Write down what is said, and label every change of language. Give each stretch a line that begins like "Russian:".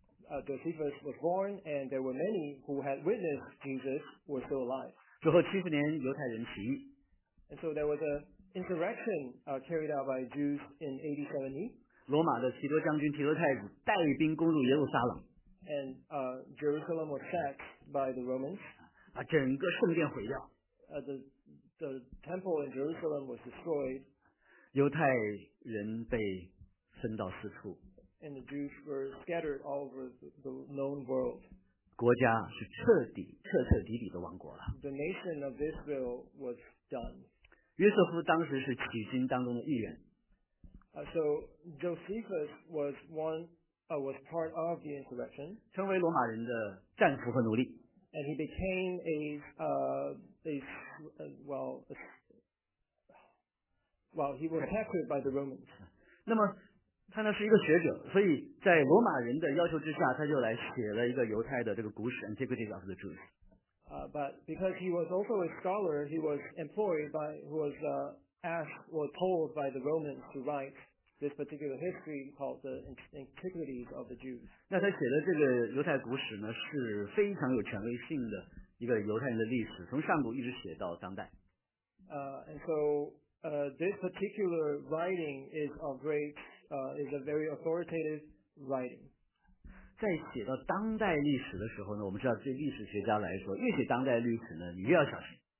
English: Josephus was born, and there were many who had witnessed Jesus were still alive.
Chinese: 之后70年, 犹太人起义,
English: and so there was an insurrection carried out by Jews in AD 70.
Chinese: 罗马的提多将军, 提多太子, 带兵攻入耶路撒冷,
English: and Jerusalem was sacked by the Romans.
Chinese: 啊, 整个圣殿毁掉,
English: the temple in Jerusalem was destroyed.
Chinese: 犹太人被分到四处,
English: and the Jews were scattered all over the known world.
Chinese: 国家是彻底的亡国了。
English: The nation of Israel was done.
Chinese: 约瑟夫当时是起兵当中的一员。
English: So Josephus was one, was part of the insurrection.
Chinese: 成为罗马人的战俘和奴隶。
English: And he became he was captured by the Romans.
Chinese: 那么他呢是一个学者, 所以在罗马人的要求之下, 他就来写了一个犹太的这个古史, Antiquities of the Jews.
English: But because he was also a scholar, he was employed by, told by the Romans to write this particular history called the Antiquities of the Jews.
Chinese: 那他写的这个犹太古史呢, 是非常有权威性的一个犹太人的历史, 从上古一直写到当代。
English: This particular writing is of great, is a very authoritative writing.
Chinese: 在写到当代历史的时候呢, 我们知道对历史学家来说, 越写当代历史呢, 你越要小心。